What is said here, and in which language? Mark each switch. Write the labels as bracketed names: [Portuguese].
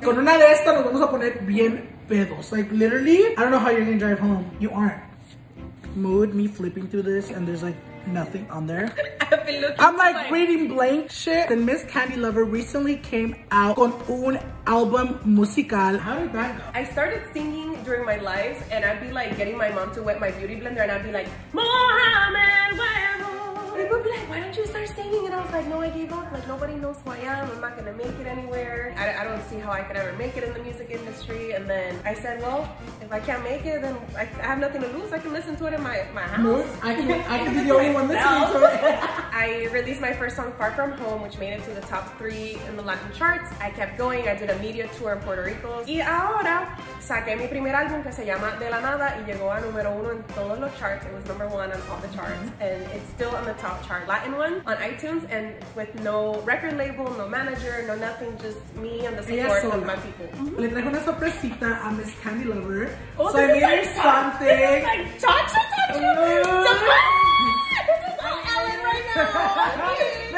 [Spanish] Con una de estas nos vamos a poner bien pedos. [English] Like, literally, I don't know how you're gonna drive home. You aren't. Mood me flipping through this, and there's, like, nothing on there. I'm like reading blank shit. Then Miss Candy Lover recently came out [Spanish] con un album musical. [English] How did that go? I started singing during my lives, and I'd be like getting my mom to wet my beauty blender, and I'd be like, Mohammed, where? People would be like, why don't you start singing? And I was like, no, I gave up. Like, nobody knows who I am. I'm not gonna make it anywhere. I don't see how I could ever make it in the music industry. And then I said, well, if I can't make it, then I have nothing to lose. I can listen to it in my house. I can be the only one listening to it. I released my first song, Far From Home, which made it to the top 3 in the Latin charts. I kept going. I did a media tour in Puerto Rico. [Spanish] Y ahora, saqué mi primer álbum que se llama De La Nada y llegó a número 1 en todos los charts. [English] It was number 1 on all the charts. And it's still on the top chart, Latin one, on iTunes, and with no record label, no manager, no nothing, just me and the support of my people. [Spanish] Le traje una sorpresita a Miss Candy Lover. [English] Oh, so this, is like something. This is like Tacho. This is like Ellen right now.